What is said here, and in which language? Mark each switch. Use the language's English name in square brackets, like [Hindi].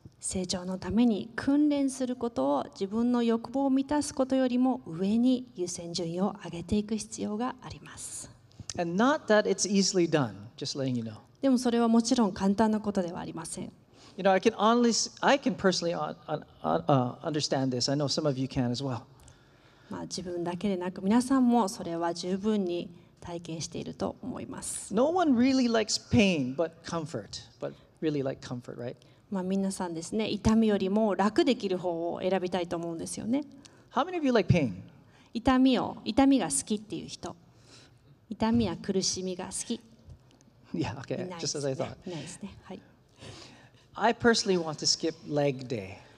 [Japanese] 成長のために訓練することを自分の欲望を満たすことよりも上に優先順位を上げていく必要があります。 [English] And not that it's easily done, just letting you know. でもそれはもちろん簡単なことではありません。 You know, I can personally understand this. I know some of you can as well. [Japanese] まあ自分だけでなく皆さんもそれは十分に体験していると思います。 [English] No one really likes pain, but comfort, but really like comfort, right? [Japanese] まあ皆さんですね、痛みよりも楽できる方を選びたいと思うんですよね。 [English] How many of you like pain? [Japanese] 痛みが好きっていう人。痛みや苦しみが好き。 [English] Yeah, okay, just as I thought. [Japanese] いないですね。はい。 [English] I personally want to skip leg day.